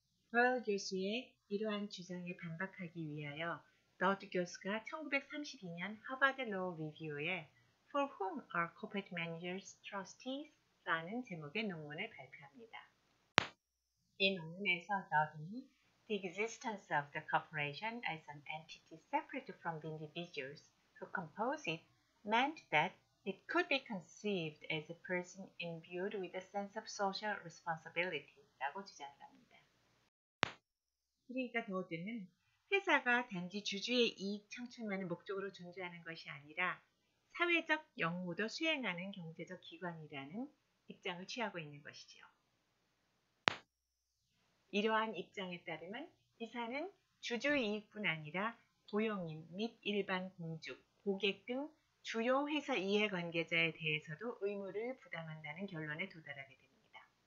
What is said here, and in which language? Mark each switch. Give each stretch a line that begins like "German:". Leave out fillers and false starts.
Korean: 버얼 교수의 이러한 주장에 반박하기 위하여 더드 교수가 1932년 하버드 로우 리뷰에
English: For Whom Are Corporate Managers Trustees?
Korean: 라는 제목의 논문을 발표합니다. 이 논문에서 더드는
English: The existence of the corporation as an entity separate from the individuals who compose it meant that it could be conceived as a person imbued with a sense of social responsibility
Korean: 라고 주장을 합니다. 그러니까 더드는 회사가 단지 주주의 이익 창출만을 목적으로 존재하는 것이 아니라 사회적 역무도 수행하는 경제적 기관이라는 입장을 취하고 있는 것이지요. 이러한 입장에 따르면 이사는 주주 이익뿐 아니라 고용인 및 일반 공직, 고객 등 주요 회사 이해관계자에 대해서도 의무를 부담한다는 결론에 도달하게 됩니다.